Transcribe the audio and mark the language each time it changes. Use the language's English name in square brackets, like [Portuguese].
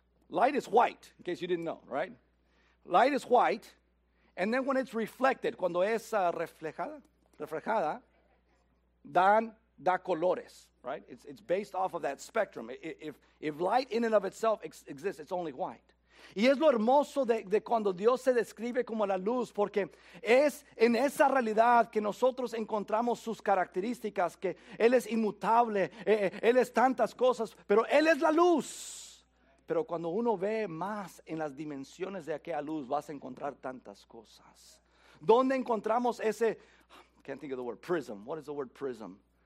[English] Light is white, in case you didn't know, right? Light is white, and then when it's reflected, [Spanish] cuando es reflejada, da colores, [English] right? It's based off of that spectrum. If light in and of itself exists, it's only white. [Spanish] Y es lo hermoso de cuando Dios se describe como la luz, porque es en esa realidad que nosotros encontramos sus características, que Él es inmutable, Él es tantas cosas, pero Él es la luz. Pero cuando uno ve más en las dimensiones de aquella luz, vas a encontrar tantas cosas. ¿Dónde encontramos ese, [English] can't think of the word, prism, what is the word prism?